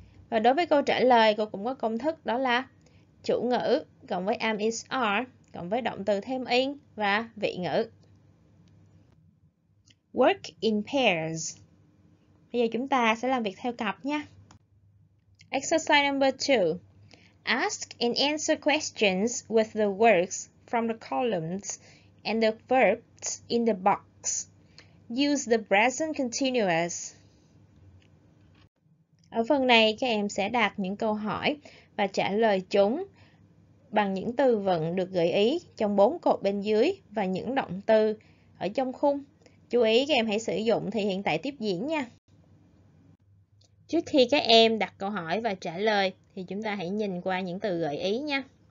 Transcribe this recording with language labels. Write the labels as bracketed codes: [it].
[vi] Và đối với câu trả lời, cô cũng có công thức đó là chủ ngữ cộng với am, is, are, cộng với động từ thêm in và vị ngữ. [en] Work in pairs. [vi] Bây giờ chúng ta sẽ làm việc theo cặp nhé. [en] Exercise number 2. Ask and answer questions with the words from the columns and the verbs in the box. Use the present continuous. [vi] Ở phần này, các em sẽ đặt những câu hỏi và trả lời chúng bằng những từ vựng được gợi ý trong bốn cột bên dưới và những động từ ở trong khung. Chú ý các em hãy sử dụng thì hiện tại tiếp diễn nha. Trước khi các em đặt câu hỏi và trả lời thì chúng ta hãy nhìn qua những từ gợi ý nha.